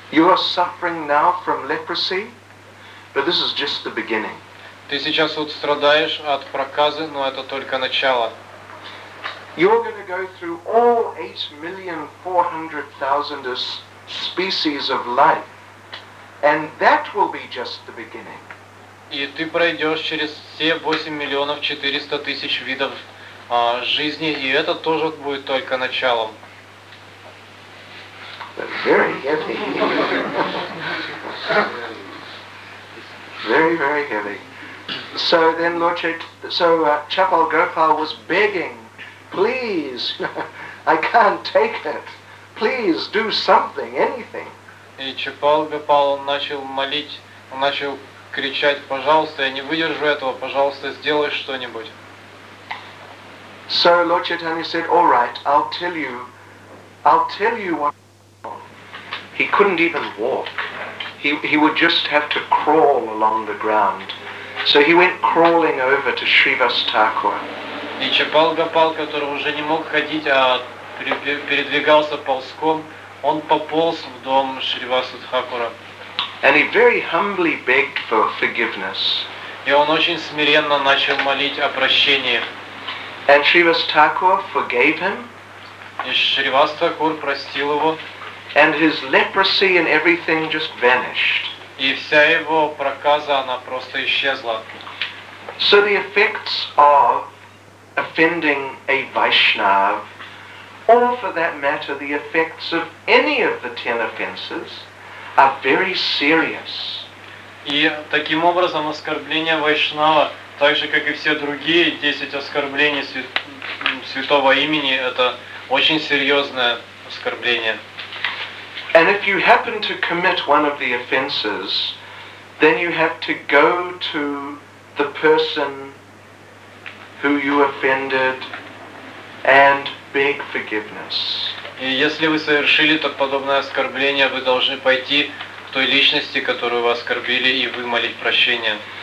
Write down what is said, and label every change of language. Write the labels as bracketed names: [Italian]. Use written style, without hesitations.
[English] You are suffering now from leprosy, but this is just the beginning. [Russian] Ты сейчас вот страдаешь от проказы, но это только начало. [English] You're going to go through all 8,400,000 species of life. And that will be just the beginning. [Russian] И ты пройдешь через все 8,400,000 видов жизни, и это тоже будет только началом. [English] Very heavy. Very, very heavy. So then, Lord Chaitanya, Chapal Gopal was begging, please, I can't take it. Please do something, anything. [Russian] И Чапал Гопал начал молить, он начал кричать, пожалуйста, я не выдержу этого, пожалуйста, сделай что-нибудь. [English] So Lord Chaitanya said, all right, I'll tell you what. He couldn't even walk. He would just have to crawl along the ground. So he went crawling over to Shrivas Thakur. [Russian] И Чапал Гопал, который уже не мог ходить, а передвигался ползком. Он пополз в дом Шривасу Тхакура. [English] And he very humbly begged for forgiveness. [Russian] И он очень смиренно начал молить о прощении. [English] And Shrivas Thakur forgave him. [Russian] И Шривас Тхакур простил его. [English] And his leprosy and everything just vanished. [Russian] И вся его проказа, она просто исчезла. [English] So the effects of offending a Vaishnava, or for that matter, the effects of any of the 10 offenses are very serious. [Russian] И таким образом оскорбление Вайшнава, так же как и все другие 10 оскорблений святого имени, это очень серьезное оскорбление. [English] And if you happen to commit one of the offenses, then you have to go to the person who you offended and beg forgiveness. [Russian] И если вы совершили то подобное оскорбление, вы должны пойти к той личности, которую вас оскорбили, и вымолить прощение.